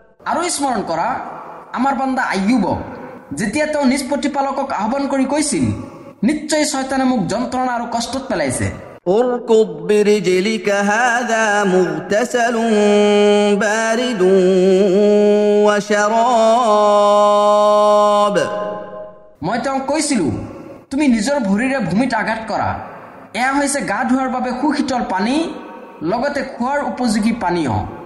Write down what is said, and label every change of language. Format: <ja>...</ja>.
<as>আৰু স্মৰণ কৰা আমাৰ বান্দা আয়ুব যেতিয়া তেওঁ নিজ প্ৰতিপালকক আহ্বান কৰি কৈছিল, নিশ্চয় শয়তানে মোক যন্ত্ৰণা আৰু কষ্টত পেলাইছে।</as> <ar>اركض برجلك هذا مغتسل بارد وشراب.</ar> <as>মই তেওঁক কৈছিলো, তুমি নিজৰ ভৰিৰে ভূমিত আঘাত কৰা, এয়া হৈছে গা ধোৱাৰ বাবে সুশীতল পানী লগতে খোৱাৰ উপযোগী পানীয়।</as>